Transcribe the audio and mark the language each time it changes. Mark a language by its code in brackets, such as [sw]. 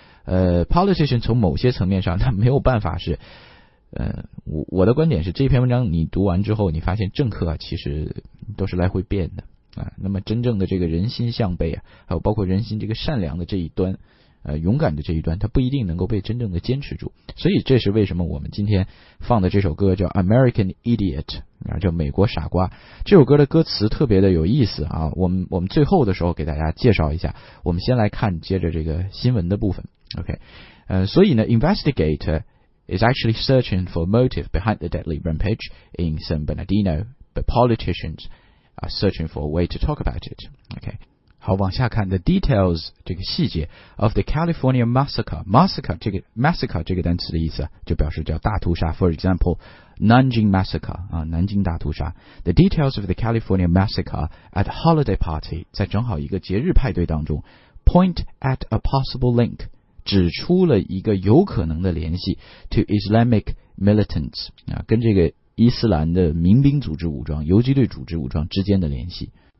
[zh] politician 从某些层面上他没有办法是我的观点是，这篇文章你读完之后你发现政客啊其实都是来回变的啊，那么真正的这个人心向背啊，还有包括人心这个善良的这一端勇敢的这一端，他不一定能够被真正的坚持住。所以这是为什么我们今天放的这首歌叫 American Idiot， 叫美国傻瓜。这首歌的歌词特别的有意思啊，我们最后的时候给大家介绍一下。我们先来看接着这个新闻的部分。OK，所以呢 [en] investigator is actually searching for motive behind the deadly rampage in San Bernardino, but politicians are searching for a way to talk about it. Okay. [zh] 好，往下看 [en] the details [zh] 这个细节 [en] of the California massacre [zh] 这个 massacre 这个单词的意思就表示叫大屠杀 [en] for example Nanjing massacre [zh] 南京大屠杀 [en] the details of the California massacre at a holiday party [zh] 在正好一个节日派对当中 [en] point at a possible link [zh] 指出了一个有可能的联系 [en] to Islamic militants [zh] 跟这个伊斯兰的民兵组织武装游击队组织武装之间的联系